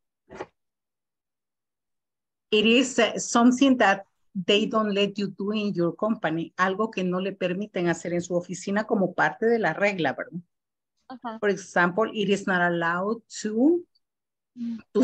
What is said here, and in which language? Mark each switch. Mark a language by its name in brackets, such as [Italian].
[English] It is something that they don't let you do in your company. [Spanish] Algo que no le permiten hacer en su oficina como parte de la regla, ¿verdad? Uh-huh. [English] For example, it is not allowed to yeah.